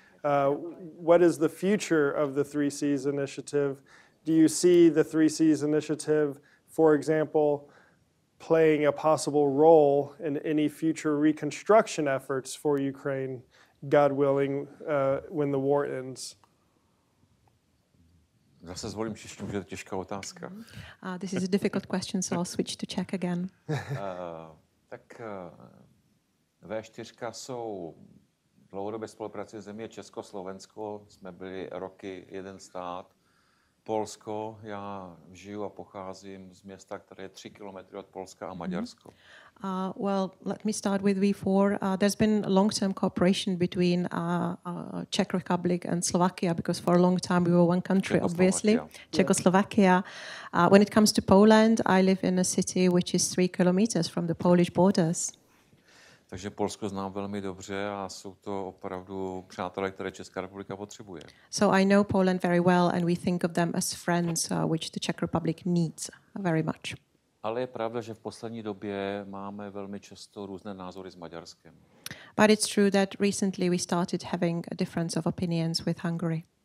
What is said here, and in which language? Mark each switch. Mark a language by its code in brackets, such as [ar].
[en] What is the future of the Three Seas Initiative? Do you see the Three Seas Initiative, for example, playing a possible role in any future reconstruction efforts for Ukraine, God willing, when the war ends? [cs] Zase zvolím češtinu, že to je těžká otázka. [en] This is a difficult question, so I'll switch to Czech again. [cs] Tak V4 jsou dlouhodobé spolupráce země Česko-Slovensko. Jsme byli roky jeden stát. Polsko, já žiju a pocházím z města, které je 3 kilometry od Polska a Maďarsko. [en] Well, let me start with V4. There's been a long-term cooperation between Czech Republic and Slovakia, because for a long time we were one country, obviously, Czechoslovakia. Yeah. When it comes to Poland, I live in a city which is 3 kilometers from the Polish borders. [cs] Takže Polsko znám velmi dobře a jsou to opravdu přátelé, které Česká republika potřebuje. [en] So I know Poland very well and we think of them as friends, which the Czech Republic needs very much. [cs] Ale je pravda, že v poslední době máme velmi často různé názory s Maďarskem. [en] But it's true that recently we started having a difference of opinions with Hungary.